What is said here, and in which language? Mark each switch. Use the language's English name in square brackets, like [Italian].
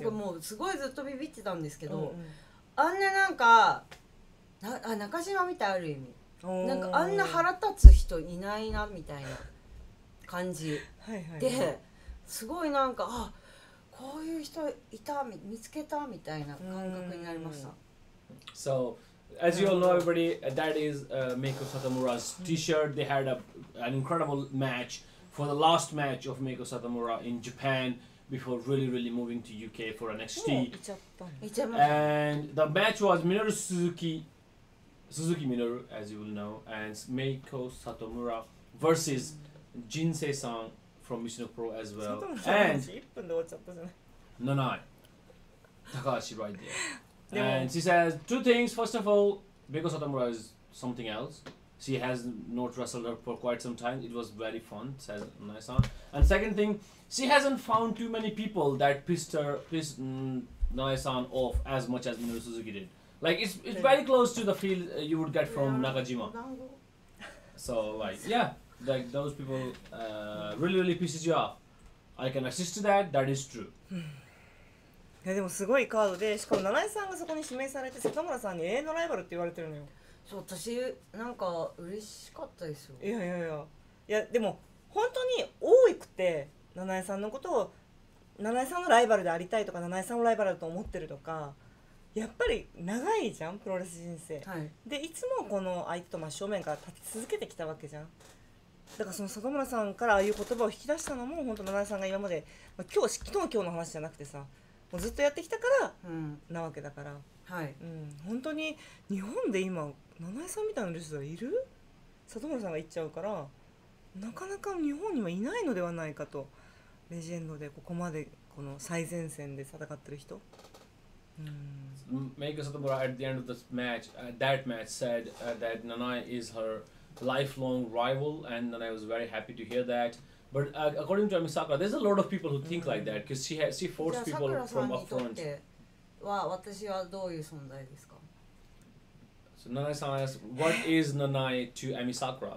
[Japanese] なんかもうすごいずっとビビってたんですけど、うんうん、あんななんかなあ中島みたいある意味なんかあんな腹立つ人いないなみたいな感じ、はいはい、ですごいなんかあこういう人いた見つけたみたいな感覚になりました。 [English] So as you all know, everybody, that is Meiko Satomura's T-shirt. They had an incredible match for the last match of Meiko Satomura in Japan before really, really moving to UK for NXT. And the match was Minoru Suzuki, Suzuki Minoru, as you will know, and Meiko Satomura versus Jinsei-san from Mission Pro as well. And Takahashi right there. And she says two things. First of all, Meiko Satomura is something else. She has not wrestled her for quite some time. It was very fun, says Nae-san. And second thing, she hasn't found too many people that pissed Nae-san off as much as Minoru Suzuki did. Like, it's very close to the feel you would get from Nakajima. So, like, yeah. Like, those people really, really pisses you off. I can assist to that. That is true. [Japanese] いやでもすごいカードで、しかも七井さんがそこに指名されて、里村さんに永遠のライバルって言われてるのよ。そう、私なんか嬉しかったですよ。いやいやいや、いやでも本当に多くて、七井さんのことを七井さんのライバルでありたいとか、七井さんをライバルだと思ってるとか、やっぱり長いじゃんプロレス人生、はい、でいつもこの相手と真正面から立ち続けてきたわけじゃん。だからその里村さんからああいう言葉を引き出したのも、本当七井さんが今まで、まあ、今日の話じゃなくてさ、ずっとやってきたからなわけだから、うん、はい、うん、本当に日本で今七井さんみたいなレスラーいる？里村さんが言っちゃうから、なかなか日本にはいないのではないかと。レジェンドでここまでこの最前線で戦ってる人、うん、 [English] Meiko Satomura at the end of this match, that match said that Nanai is her lifelong rival, and Nanai was very happy to hear thatBut according to Ami Sakura, there's a lot of people who think like that because she forced people from up front. So Nanai-san asks, what is Nanai to Ami Sakura?